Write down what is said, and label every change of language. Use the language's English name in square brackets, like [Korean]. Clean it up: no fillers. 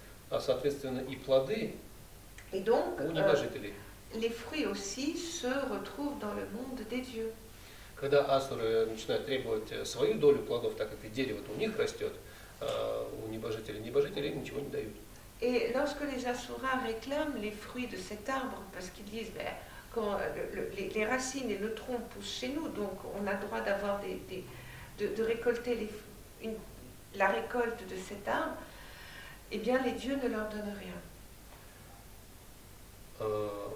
[Russian] А соответственно и плоды. [French] Et donc [Russian] у небожителей. [French] Les fruits aussi se retrouvent dans le monde des dieux. [Russian] Когда асуры начинают требовать свою долю плодов, так как и дерево у них растет, у небожителей, небожители ничего не дают. [French] Et lorsque les asuras réclament les fruits de cet arbre, parce qu'ils disent, ben, quand les racines et le tronc poussent chez nous, donc on a droit d'avoir de récolter la récolte de cet arbre, eh bien les dieux ne leur donnent rien.